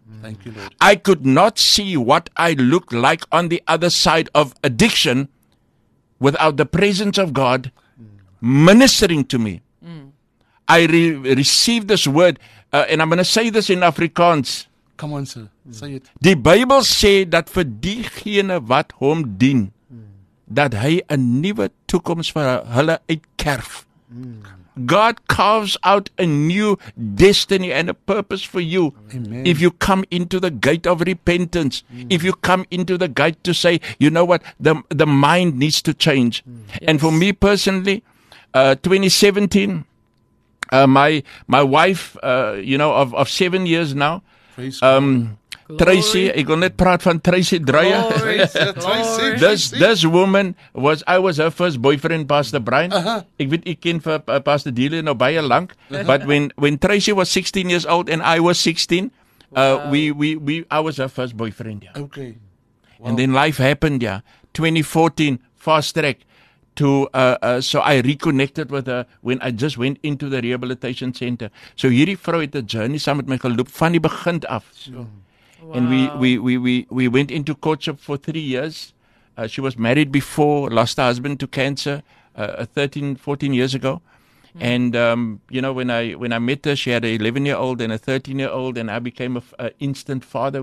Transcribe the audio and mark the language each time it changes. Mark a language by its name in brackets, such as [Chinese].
[English] Thank you, Lord. I could not see what I looked like on the other side of addiction without the presence of God ministering to me. I received this word, and I'm going to say this in Afrikaans. Come on, sir. Say it. [Afrikaans] Die Bybel sê dat vir diegene wat hom dien, dat hy 'n nuwe toekoms vir hulle uitkerf. [English] God carves out a new destiny and a purpose for you. Amen. If you come into the gate of repentance, if you come into the gate to say, you know what, the mind needs to change. And for me personally, 2017, my wife, you know, of 7 years now, Tracy, [Afrikaans] ek wil net praat van Tracy Dreyer. [English] This woman was, I was her first boyfriend, Pastor Brian. Uh-huh. [Afrikaans] Ek weet, ek ken vir Pastor Dele nou baie lang. [English] But when Tracy was 16 years old and I was 16, I was her first boyfriend. Yeah. Okay. Wow. And then life happened, yeah. 2014, fast track. So I reconnected with her when I just went into the rehabilitation center. [Afrikaans] So hierdie vrou het 'n [English] journey [Afrikaans] saam met my geloop van die begin af. Wow. [English] And we went into courtship for 3 years. She was married before, lost her husband to cancer 14 years ago. And, you know, when I met her, she had an 11-year-old and a 13-year-old, and I became an instant father.